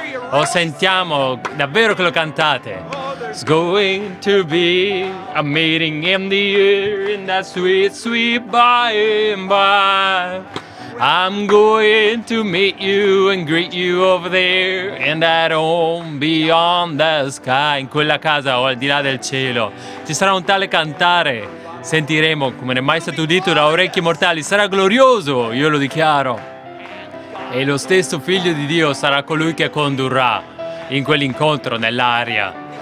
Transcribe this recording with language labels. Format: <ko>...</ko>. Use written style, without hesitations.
<it>Oh, sentiamo davvero che lo cantate.</it> <en>It's going to be a meeting in the air in that sweet, sweet by and by. I'm going to meet you and greet you over there in that home beyond the sky.</en> <it>In quella casa o al di là del cielo ci sarà un tale cantare. Sentiremo come non è mai stato udito da orecchi mortali. Sarà glorioso, io lo dichiaro. E lo stesso Figlio di Dio sarà colui che condurrà in quell'incontro nell'aria.</it>